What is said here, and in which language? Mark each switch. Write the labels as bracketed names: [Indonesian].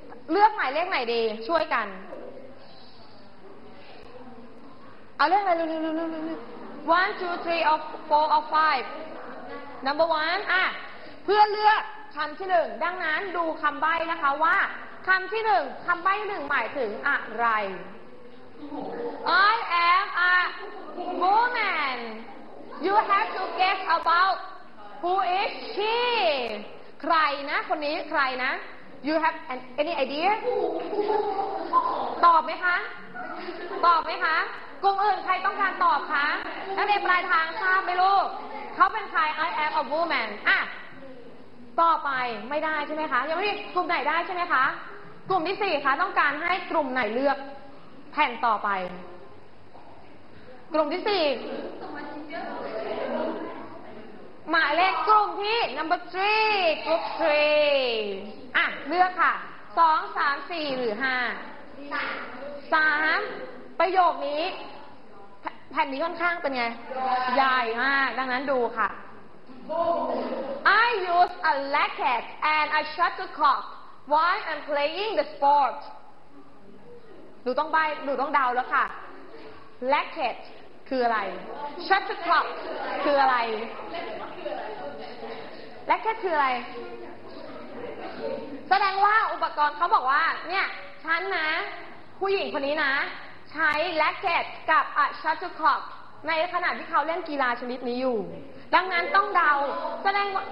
[Thai] เลือกหมายเลขไหนดีช่วยกันเอาเลขอะไรเร็วๆๆๆ1 2 [English] 3 4 or 5 [Thai] Number 1อ่ะเพื่อเลือกคำที่1ดังนั้นดูคำใบ้นะคะว่าคำที่1คำใบ้1หมายถึงอะไร [English] I am a woman You have to guess about who is she [Thai] ใครนะคนนี้ใครนะ [English] You have any idea? [Thai] ตอบไหมคะตอบไหมคะกลุ่มอื่นใครต้องการตอบคะนักเรียนปลายทางทราบไหมลูกเขาเป็นใคร [English] I am a woman [Thai] อ่ะต่อไปไม่ได้ใช่ไหมคะยังไม่มีกลุ่มไหนได้ใช่ไหมคะกลุ่มที่สี่คะต้องการให้กลุ่มไหนเลือกแผ่นต่อไปกลุ่มที่สี่หมายเลขกลุ่มที่ number three กลุ่ม threeอ่ะเลือกค่ะ2 3 4หรือ5 3 3ประโยคนี้แผ่นนี้ค่อนข้างเป็นไง ให ญ่มากดังนั้นดูค่ะ [English] I use a racket and a shuttlecock while I'm playing the sport [Thai] หนูต้องใบ้หนูต้องเดาแล้วค่ะ racket คืออะไร shuttlecock คืออะไร racket คืออะไรแสดงว่าอุปกรณ์เขาบอกว่าเนี่ยฉันนะผู้หญิงคนนี้นะใช้แร็คเก็ตกับอะชัตเทิลคอกในขณะที่เขาเล่นกีฬาชนิดนี้อยู่ดังนั้นต้องเดาแสดง